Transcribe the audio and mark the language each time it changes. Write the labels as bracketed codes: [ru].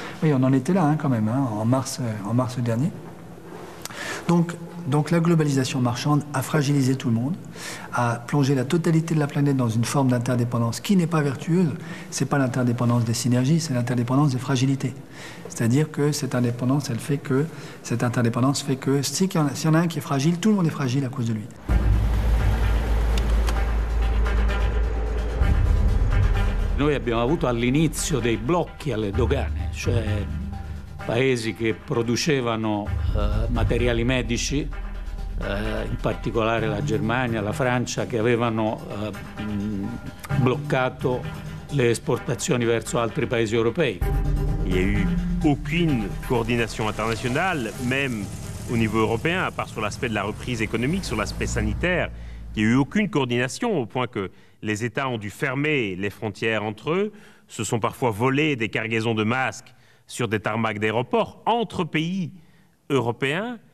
[fr] Oui, on en était là, hein, quand même, hein, en mars dernier. Donc la globalisation marchande a fragilisé tout le monde, a plongé la totalité de la planète dans une forme d'interdépendance qui n'est pas vertueuse. Ce n'est pas l'interdépendance des synergies, c'est l'interdépendance des fragilités. C'est-à-dire que cette interdépendance fait que s'il y en a un qui est fragile, tout le monde est fragile à cause de lui. [it] Noi abbiamo avuto all'inizio dei blocchi alle dogane, cioè paesi che producevano materiali medici, in particolare la Germania, la Francia, che avevano bloccato le esportazioni verso altri paesi europei. [fr] Il n'y a eu aucune coordination internationale, même au niveau européen, à part sur l'aspect de la reprise économique, sur l'aspect sanitaire, il n'y a eu aucune coordination, au point que les États ont dû fermer les frontières entre eux, se sont parfois volés des cargaisons de masques sur des tarmacs d'aéroports entre pays européens.